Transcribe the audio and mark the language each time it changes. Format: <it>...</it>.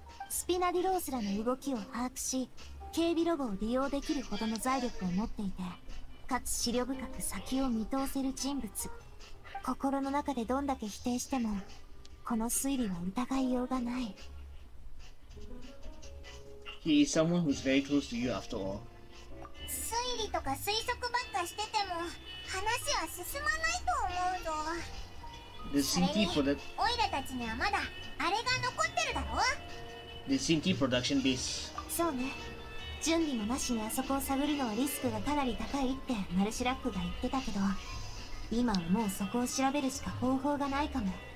<ja>スピナディロースらの動きを把握し、警備ロボを利用できるほどの財力を持っていて、かつ思慮深く先を見通せる人物。心の中でどんだけ否定しても、この推理は疑いようがない。</ja> <en>He is someone who's very close to you after all.</en> <ja>推理とか推測ばっかしてても話は進まないと思うぞ。</ja> <en>The CT for the</en> <ja>オイラたちにはまだあれが残ってるだろ。</ja> <en>The CT production base.</en> <ja>そうね。準備もなしにあそこを探るのはリスクがかなり高いってマルシラックが言ってたけど、今はもうそこを調べるしか方法がないかも。</ja>